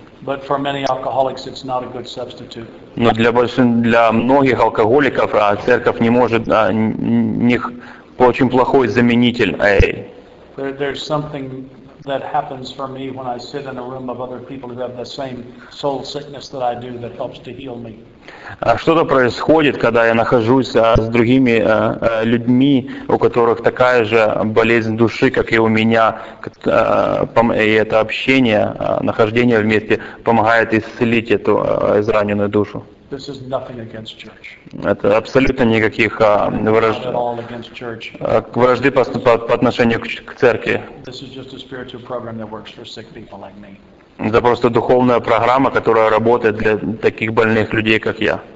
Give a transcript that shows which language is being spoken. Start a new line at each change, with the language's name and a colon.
English: But for many alcoholics, it's not a good substitute.
Russian: Но для многих алкоголиков церковь не может них очень плохой заменитель.
English: There's something that happens for me when I sit in a room of other people who have the same soul sickness that I do that helps to heal me.
Russian: Что-то происходит, когда я нахожусь с другими людьми, у которых такая же болезнь души, как и у меня, и это общение, нахождение вместе помогает исцелить эту израненную душу.
English: This is nothing against church.
Russian: Это абсолютно никаких вражды по отношению к церкви.
English: This is just a spiritual program that works for sick people like me.
Russian: Это просто духовная программа, которая работает для таких больных людей, как я.